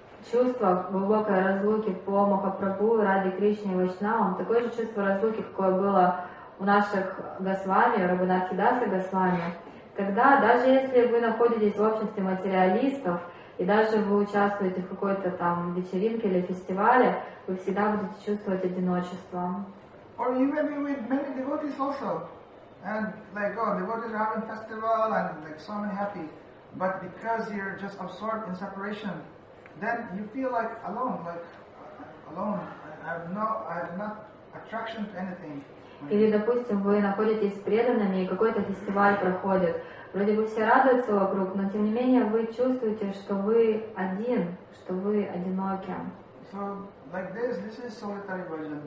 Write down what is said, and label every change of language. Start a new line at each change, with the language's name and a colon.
Russian: Чувство глубокой разлуки по Махапрабху, Раде Кришне и Вайшнавам, такое же чувство разлуки, какое было у наших Госвами, Рагхунатхи Даса Госвами, тогда, даже если вы находитесь в обществе материалистов, и даже вы участвуете в какой-то там вечеринке или фестивале, вы всегда будете чувствовать одиночество.
English: Or you may be with many devotees also. And like, oh, devotees are having festival, and like, so many happy. But because you're just absorbed in separation, then you feel like alone, I have not attraction to anything.
Russian: Или, допустим, вы находитесь с преданными, и какой-то фестиваль проходит. Вроде бы все радуются вокруг, но тем не менее вы чувствуете, что вы один, что вы одиноки.
English: So, like this is solitary bhajan.